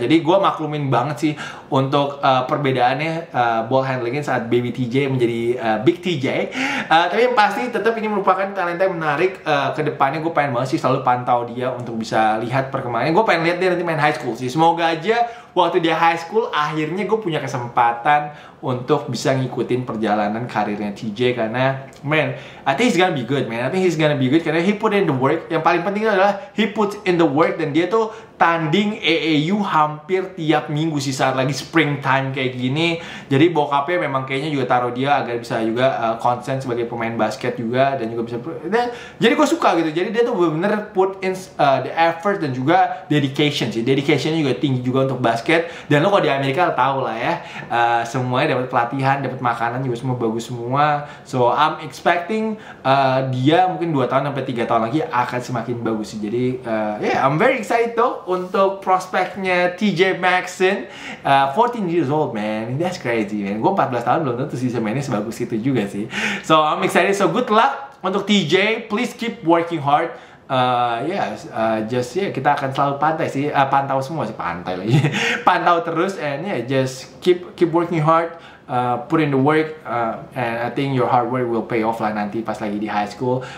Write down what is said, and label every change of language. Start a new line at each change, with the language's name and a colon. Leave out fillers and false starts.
Indonesian: Jadi gua maklumin banget sih untuk perbedaannya ball handlingnya saat baby TJ menjadi big TJ. Tapi yang pasti tetap ini merupakan talenta yang menarik. Kedepannya gua pengen banget sih selalu pantau dia untuk bisa lihat perkembangan. Gue pengen lihat dia nanti main high school sih. Semoga aja waktu dia high school akhirnya gue punya kesempatan untuk bisa ngikutin perjalanan karirnya TJ.
English: Karena man, I think he's gonna be good, man. I think he's gonna be good karena he put in the work.
Indonesian: Yang paling penting adalah
English: he put in the work.
Indonesian: Dan dia tuh tanding AAU hampir tiap minggu sih saat lagi springtime kayak gini. Jadi bokapnya memang kayaknya juga taruh dia agar bisa juga konsen sebagai pemain basket juga. Dan juga bisa dan, jadi gue suka gitu. Jadi dia tuh bener-bener
English: put in the effort
Indonesian: dan juga dedication sih. Dedicationnya juga tinggi juga untuk basket. Dan lo kalau di Amerika lo tau lah ya, semuanya dapat pelatihan, dapat makanan juga semua bagus semua.
English: So I'm expecting
Indonesian: dia mungkin 2 tahun sampai 3 tahun lagi akan semakin bagus sih. Jadi
English: I'm very excited though
Indonesian: untuk prospeknya
English: TJ Maxson. 14 years old, man. That's crazy, man.
Indonesian: Gue 14 tahun belum tentu sih mainnya sebagus itu juga sih.
English: So I'm excited. So good luck
Indonesian: untuk
English: TJ. Please keep working hard.
Indonesian: Kita akan selalu pantau terus,
English: and yeah, just keep working hard, put in the work, and I think your hard work will pay off
Indonesian: lah nanti pas lagi di
English: high school.